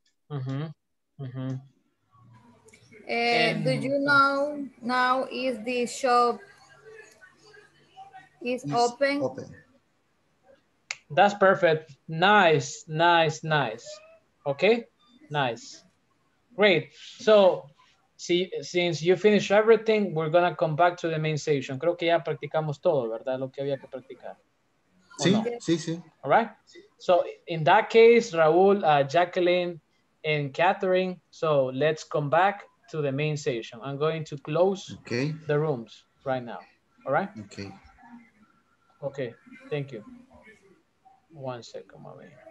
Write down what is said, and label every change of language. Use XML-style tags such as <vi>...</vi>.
<en>Do you know now is the shop is open? Open. That's perfect. Nice, nice, nice. Okay, nice. Great. So, since you finish everything, we're going to come back to the main session.</en> <es>Creo que ya practicamos todo, ¿verdad? Lo que había que practicar. Sí, no? Sí, sí.</es> <en>All right. So, in that case, Raúl, Jacqueline, and Catherine, so let's come back to the main session. I'm going to close the rooms right now. All right? Okay. Okay, thank you. One second, mommy.</en>